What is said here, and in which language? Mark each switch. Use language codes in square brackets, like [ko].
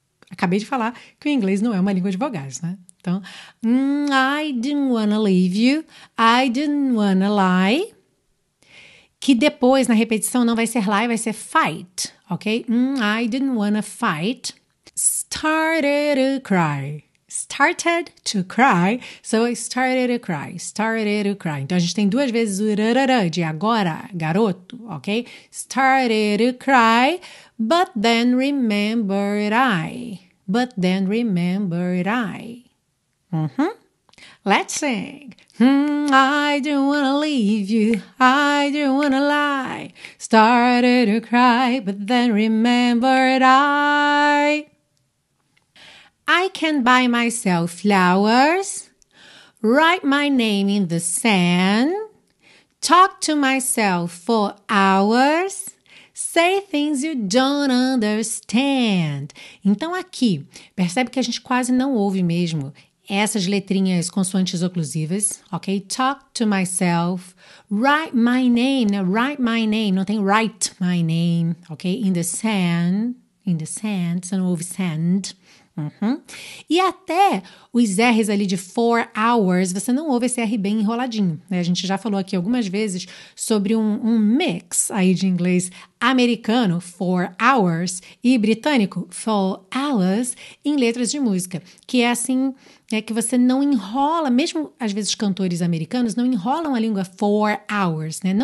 [pt] Acabei de falar que o inglês não é uma língua de vogais, né? Então, [en] I didn't wanna leave you, I didn't wanna lie, [pt] que depois na repetição não vai ser lie, vai ser fight, ok? [en] I didn't wanna fight, started to cry. [pt] Então, a gente tem duas vezes o rarara de agora, garoto, ok? [en] Started to cry, but then remembered I. Uh-huh. Let's sing. I don't wanna leave you, I don't wanna lie. Started to cry, but then remembered I. I can buy myself flowers, write my name in the sand, talk to myself for hours, say things you don't understand. [pt] Então, aqui, percebe que a gente quase não ouve mesmo essas letrinhas consoantes oclusivas, ok? [en] Talk to myself, write my name, né? Write my name, [pt] não tem [en] write my name, ok? In the sand, [pt] você não ouve sand. Uhum. E até os R's ali de 4 hours, você não ouve esse R bem enroladinho, né? A gente já falou aqui algumas vezes sobre um mix aí de inglês americano, 4 hours, e britânico, 4 hours, em letras de música, que é assim, é que você não enrola, mesmo às vezes cantores americanos não enrolam a língua 4 hours, né?